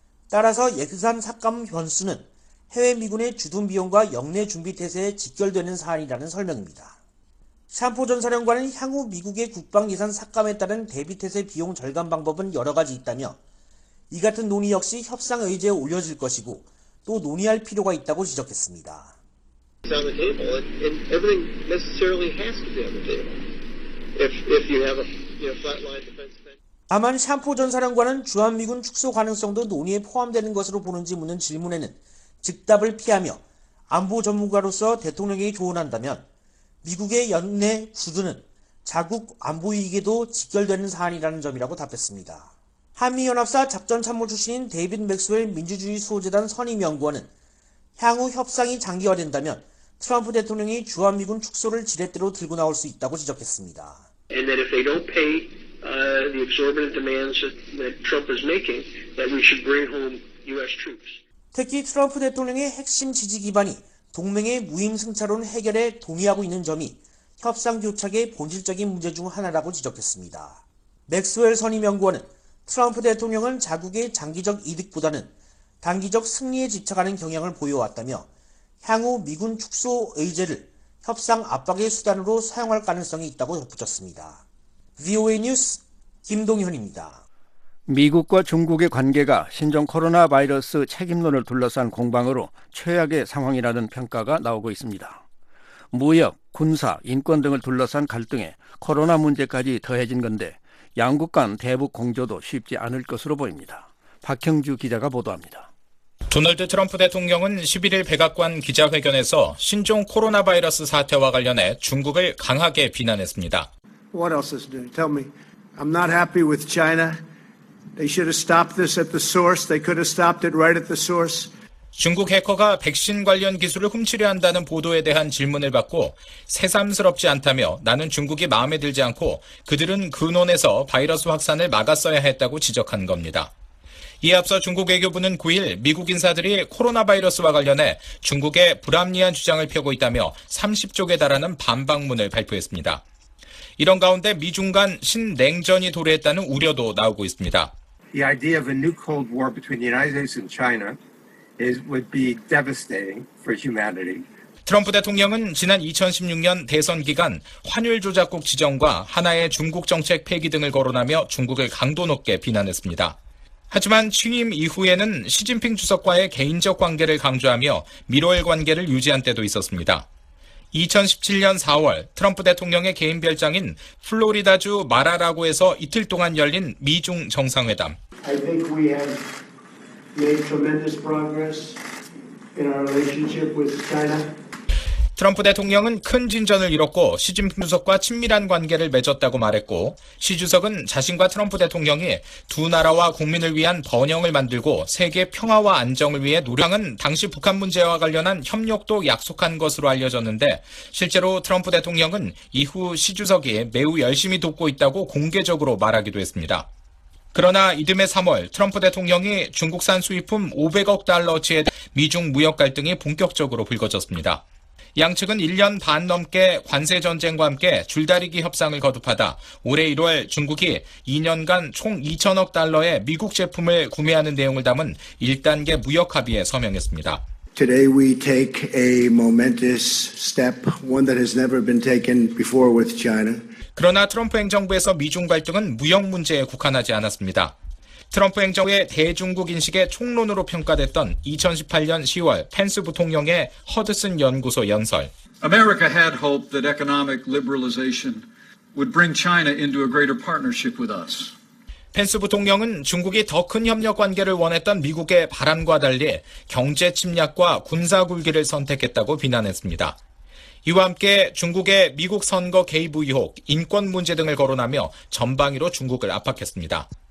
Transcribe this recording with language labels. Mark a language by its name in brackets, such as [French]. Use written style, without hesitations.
[Korean] 따라서 예산 삭감 변수는 해외 미군의 주둔 비용과 역내 준비 태세에 직결되는 사안이라는 설명입니다. 샴포 전 사령관은 향후 미국의 국방 예산 삭감에 따른 대비 태세 비용 절감 방법은 여러 가지 있다며 이 같은 논의 역시 협상 의제에 올려질 것이고 또 논의할 필요가 있다고 지적했습니다. [English] If you have a, you know, flatline defense spend. [Korean] 다만 샴포 전 사령관은 주한미군 축소 가능성도 논의에 포함되는 것으로 보는지 묻는 질문에는 즉답을 피하며 안보 전문가로서 대통령에게 조언한다면 미국의 연내 구두는 자국 안보 이익에도 직결되는 사안이라는 점이라고 답했습니다. 한미연합사 작전참모 출신인 데이빗 맥스웰 민주주의 수호재단 선임연구원은 향후 협상이 장기화된다면 트럼프 대통령이 주한미군 축소를 지렛대로 들고 나올 수 있다고 지적했습니다. [English] And that if they don't pay the exorbitant demands that Trump is making, that we should bring home U.S. troops. [Korean] 특히 트럼프 대통령의 핵심 지지 기반이 동맹의 무임승차론 해결에 동의하고 있는 점이 협상 교착의 본질적인 문제 중 하나라고 지적했습니다. 맥스웰 선임연구원은 트럼프 대통령은 자국의 장기적 이득보다는 단기적 승리에 집착하는 경향을 보여왔다며 향후 미군 축소 의제를 협상 압박의 수단으로 사용할 가능성이 있다고 덧붙였습니다. VOA 뉴스 김동현입니다. 미국과 중국의 관계가 신종 코로나 바이러스 책임론을 둘러싼 공방으로 최악의 상황이라는 평가가 나오고 있습니다. 무역, 군사, 인권 등을 둘러싼 갈등에 코로나 문제까지 더해진 건데 양국 간 대북 공조도 쉽지 않을 것으로 보입니다. 박형주 기자가 보도합니다. 도널드 트럼프 대통령은 11일 백악관 기자회견에서 신종 코로나 바이러스 사태와 관련해 중국을 강하게 비난했습니다. [English] What else is new? Tell me. I'm not happy with China. They should have stopped this at the source. They could have stopped it right at the source. [Korean] 중국 해커가 백신 관련 기술을 훔치려 한다는 보도에 대한 질문을 받고 새삼스럽지 않다며 나는 중국이 마음에 들지 않고 그들은 근원에서 바이러스 확산을 막았어야 했다고 지적한 겁니다. 이에 앞서 중국 외교부는 9일 미국 인사들이 코로나 바이러스와 관련해 중국의 불합리한 주장을 펴고 있다며 30쪽에 달하는 반박문을 발표했습니다. 이런 가운데 미중 간 신냉전이 도래했다는 우려도 나오고 있습니다. [English] The idea of a new cold war between the United States and China would be devastating for humanity. [Korean] 트럼프 대통령은 지난 2016년 대선 기간 환율 조작국 지정과 하나의 중국 정책 폐기 등을 거론하며 중국을 강도 높게 비난했습니다. 하지만 취임 이후에는 시진핑 주석과의 개인적 관계를 강조하며 밀월 관계를 유지한 때도 있었습니다. 2017년 4월 트럼프 대통령의 개인 별장인 플로리다주 마라라고에서 이틀 동안 열린 미중 정상회담. [English] I think we have made tremendous progress in our relationship with China. [Korean] 트럼프 대통령은 큰 진전을 이뤘고 시진핑 주석과 친밀한 관계를 맺었다고 말했고 시 주석은 자신과 트럼프 대통령이 두 나라와 국민을 위한 번영을 만들고 세계 평화와 안정을 위해 노력한 당시 북한 문제와 관련한 협력도 약속한 것으로 알려졌는데 실제로 트럼프 대통령은 이후 시 주석이 매우 열심히 돕고 있다고 공개적으로 말하기도 했습니다. 그러나 이듬해 3월 트럼프 대통령이 중국산 수입품 500억 달러치에 미중 무역 갈등이 본격적으로 불거졌습니다. 양측은 1년 반 넘게 관세 전쟁과 함께 줄다리기 협상을 거듭하다 올해 1월 중국이 2년간 총 2천억 달러의 미국 제품을 구매하는 내용을 담은 1단계 무역 합의에 서명했습니다. [English] Today we take a momentous step, one that has never been taken before with China. [Korean] 그러나 트럼프 행정부에서 미중 갈등은 무역 문제에 국한하지 않았습니다. 트럼프 행정부의 대중국 인식의 총론으로 평가됐던 2018년 10월 펜스 부통령의 허드슨 연구소 연설. [English] America had hoped that economic liberalization would bring China into a greater partnership with us. [Korean] 펜스 부통령은 중국이 더 큰 협력 관계를 원했던 미국의 바람과 달리 경제 침략과 군사 굴기를 선택했다고 비난했습니다. 이와 함께 중국의 미국 선거 개입 의혹, 인권 문제 등을 거론하며 전방위로 중국을 압박했습니다.